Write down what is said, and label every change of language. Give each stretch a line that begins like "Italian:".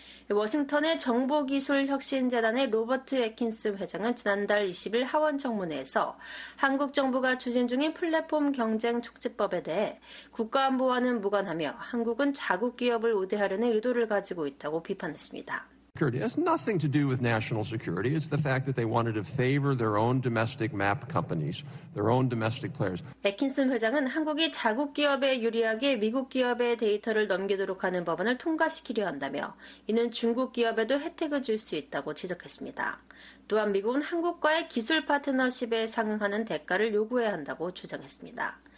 Korean: 워싱턴의 정보기술혁신재단의 로버트 애킨스 회장은 지난달 20일 하원 청문회에서 한국 정부가 추진 중인 플랫폼 경쟁 촉지법에 대해 국가안보와는 무관하며 한국은 자국 기업을 우대하려는 의도를 가지고 있다고 비판했습니다.
English: It has nothing to do with national security. It's the fact that they wanted to favor their own domestic map companies, their own domestic players.
Korean: 애킨슨 회장은 한국이 자국 기업에 유리하게 미국 기업의 데이터를 넘기도록 하는 법안을 통과시키려 한다며 이는 중국 기업에도 혜택을 줄 수 있다고 지적했습니다. 또한 미국은 한국과의 기술 파트너십에 상응하는 대가를 요구해야 한다고 주장했습니다.